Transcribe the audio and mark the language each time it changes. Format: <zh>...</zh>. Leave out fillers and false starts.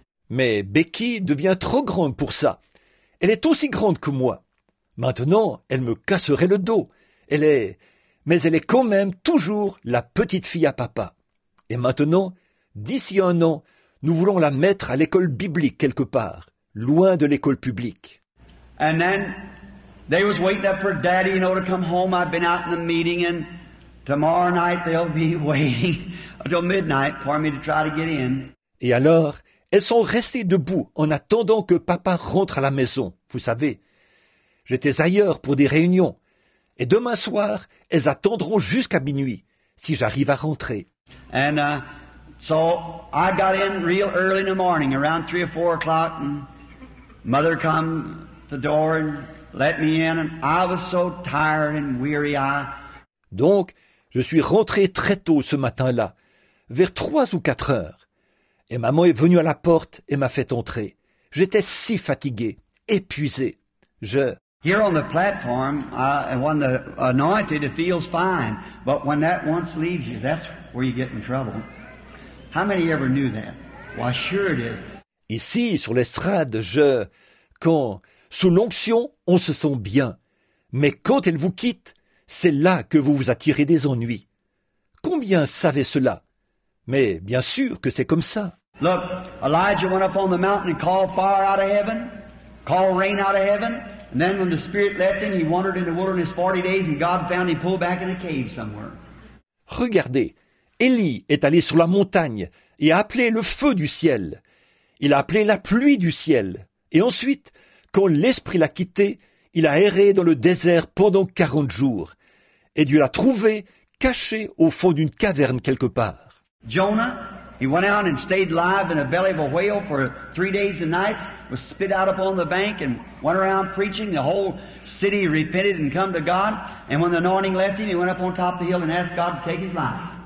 <fr>Mais Becky devient trop grande pour ça. Elle est aussi grande que moi. Maintenant, elle me casserait le dos. Mais elle est quand même toujours la petite fille à papa. Et maintenant, d'ici un an, nous voulons la mettre à l'école biblique quelque part, loin de l'école publique.</fr> <en>And then they was waiting up for daddy, you know, to come home. I've been out in the meeting and tomorrow night they'll be waiting until midnight for me to try to get in.</en> <fr>Et alors, elles sont restées debout en attendant que papa rentre à la maison, vous savez. J'étais ailleurs pour des réunions. Et demain soir, elles attendront jusqu'à minuit, si j'arrive à rentrer.</fr> <en>And so I got in real early in the morning, around 3 or 4 o'clock, and mother come to the door and let me in, and I was so tired and weary.</en> <fr>Donc, je suis rentré très tôt ce matin-là, vers 3 ou 4 heures. Et maman est venue à la porte et m'a fait entrer. J'étais si fatigué, épuisé.</fr> <en>Here on the platform, when the anointed, it feels fine. But when that once leaves you, that's where you get in trouble. How many ever knew that? Why, sure it is.</en> <fr>Ici, sur l'estrade, quand sous l'onction, on se sent bien. Mais quand elle vous quitte, c'est là que vous vous attirez des ennuis. Combien savaient cela? Mais bien sûr que c'est comme ça.</fr> <en>Look, Elijah went up on the mountain and called fire out of heaven, called rain out of heaven. And then when the Spirit left him, he wandered in the wilderness 40 days and God found him pulled back in a cave somewhere.</en> <fr>Regardez, Élie est allé sur la montagne et a appelé le feu du ciel. Il a appelé la pluie du ciel. Et ensuite, quand l'Esprit l'a quitté, il a erré dans le désert pendant 40 jours. Et Dieu l'a trouvé caché au fond d'une caverne quelque part.</fr> <en>Jonah, he went out and stayed alive in the belly of a whale for 3 days and nights. Was spit out upon the bank and went around preaching. The whole city repented and come to God. And when the anointing left him, he went up on top of the hill and asked God to take his life.</en>